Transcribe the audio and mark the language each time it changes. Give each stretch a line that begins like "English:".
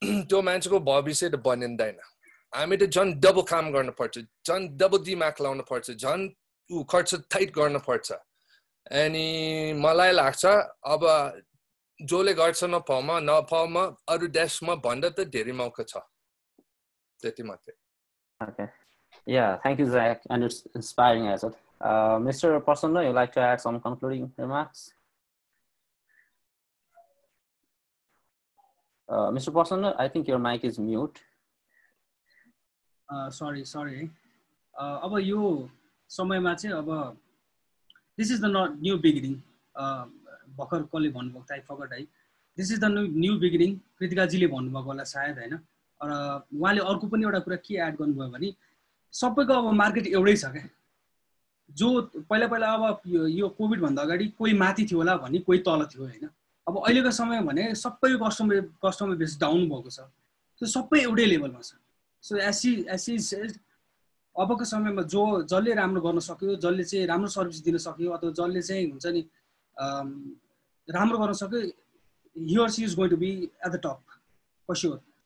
Nepali: त्यो मान्छेको भविष्य त बनिँदैन हामी त झन् डबल काम गर्नुपर्छ झन् डबल दिमाग लाउनु पर्छ झन् ऊ खर्च टाइट गर्नुपर्छ अनि मलाई लाग्छ अब जसले गर्छ नपाउमा नपाउमा अरू देशमा भन्दा त धेरै मौका छ
English: Okay. Yeah, thank you, Zach. And it's inspiring as well. Mr. Prasanna, you'd like to add some concluding remarks? Mr. Prasanna, I think your mic is mute. Sorry.
Nepali: Aba yo samay ma chai, aba,
English: this is the new beginning.
Nepali: Bakar kole bhanu bhayeko thiyo,
English: I forgot. This is the new beginning.
Nepali: Kritika ji le bhanu bhayeko hola sayad haina. र उहाँले अर्को पनि एउटा कुरा के add गर्नुभयो भने सबैको अब मार्केट एउटै छ क्या जो पहिला अब यो कोभिडभन्दा अगाडि कोही माथि थियो होला भने कोही तल थियो होइन अब अहिलेको समयमा भने सबै कस्टमर बेस डाउन भएको छ त्यो सबै एउटै लेभलमा छ सो एसिज अबको समयमा जो जसले राम्रो गर्न सक्यो जसले चाहिँ राम्रो सर्भिस दिन सक्यो अथवा जसले चाहिँ हुन्छ नि राम्रो गर्न सक्यो
English: here she is going to be at the top for sure